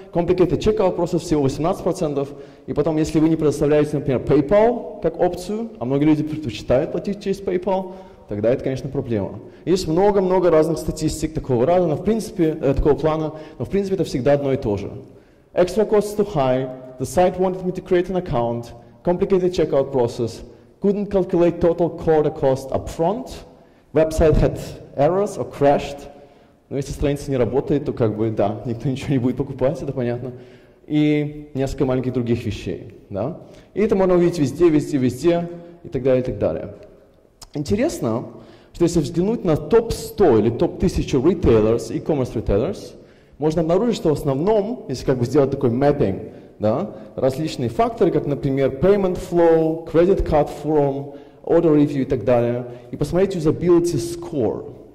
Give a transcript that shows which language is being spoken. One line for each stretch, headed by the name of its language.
Russian: Complicated Checkout вопросов всего 18%. И потом, если вы не предоставляете, например, PayPal как опцию, а многие люди предпочитают платить через PayPal, тогда это, конечно, проблема. Есть много-много разных статистик такого рода, но в принципе, такого плана, но в принципе это всегда одно и то же.
English: Extra costs too high, the site wanted me to create an account, complicated checkout process, couldn't calculate total quarter cost upfront, website had errors or crashed.
Russian: Но если страница не работает, то как бы да, никто ничего не будет покупать, это понятно. И несколько маленьких других вещей. Да? И это можно увидеть везде, везде, везде и так далее, и так далее. Интересно, что если взглянуть на топ 100 или топ 1000 retailers, e-commerce retailers, можно обнаружить, что в основном, если как бы сделать такой mapping, да, различные факторы, как, например, payment flow, credit card form, order review и так далее, и посмотреть usability score.